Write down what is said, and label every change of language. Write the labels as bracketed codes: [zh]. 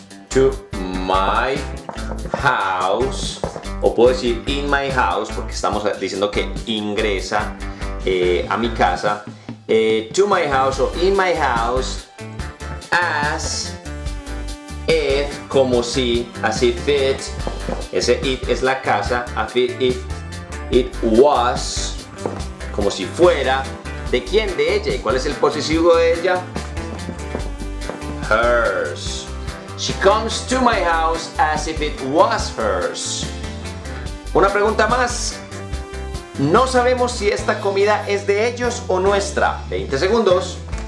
[en] to my house, [es] o puedo decir [en] in my house [es] porque estamos diciendo que ingresa a mi casa, [en] to my house o in my house as if, [es] como si, [en] as if it. [es] Ese it es la casa, [en] as if it was, [es] como si fuera. ¿De quién? De ella. ¿Y cuál es el posesivo de ella? [en] hers. She comes to my house as if it was hers. [es] Una pregunta más. No sabemos si esta comida es de ellos o nuestra. 20 segundos.